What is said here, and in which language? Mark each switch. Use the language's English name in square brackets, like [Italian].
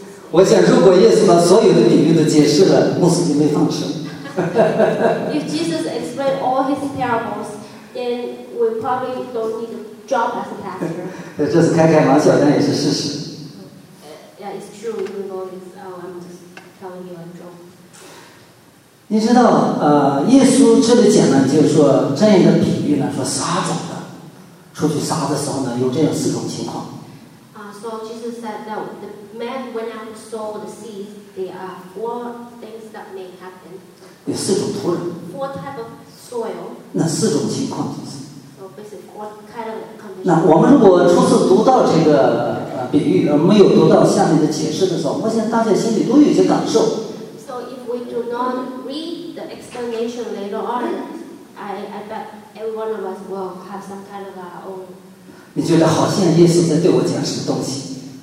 [Chinese] 我想，如果耶稣把所有的比喻都解释了，穆斯林会放生。 [English] If Jesus explained all his parables, then we probably don't need a job as a pastor. [Chinese] 这是开开玩笑，但也是事实。 [English] Yeah, it's true. You know, it's, oh, I'm just telling you a joke. [Chinese] 你知道，耶稣这里讲呢，就是说这样的比喻呢，说撒种的出去撒的时候呢，有这样四种情况。 [English] So Jesus said that the Man went out to sow the seeds. There are four things that may happen. [Chinese] 有四种土壤。 [English] Four type of soil. [Chinese] 那四种情况就是。 [English] So basically, what kind of condition? [Chinese] 那我们如果初次读到这个比喻，而没有读到下面的解释的时候，我想大家心里都有些感受。 [English] So if we do not read the explanation later on, I bet every one of us will have some kind of our own. [Chinese] 你觉得好像耶稣在对我讲什么东西？